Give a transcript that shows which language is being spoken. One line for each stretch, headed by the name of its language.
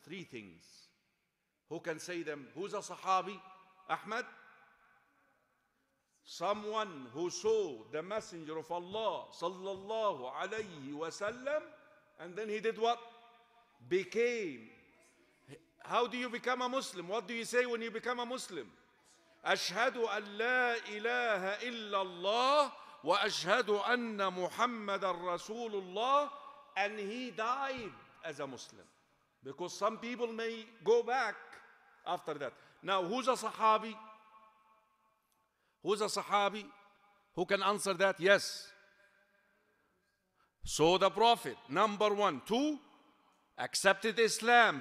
English: Three things. Who can say them? Who's a sahabi? Ahmed? Someone who saw the Messenger of Allah sallallahu alayhi wa sallam, and then he did what? Became. How do you become a Muslim? What do you say when you become a Muslim?
Arabic: أشهد أن لا إله إلا الله وأشهد أن محمد رسول الله.
English: And he died as a Muslim. Because some people may go back after that. Now, who's a Sahabi? Who's a Sahabi? Who can answer that? Yes. So the Prophet, number one. Two, accepted Islam.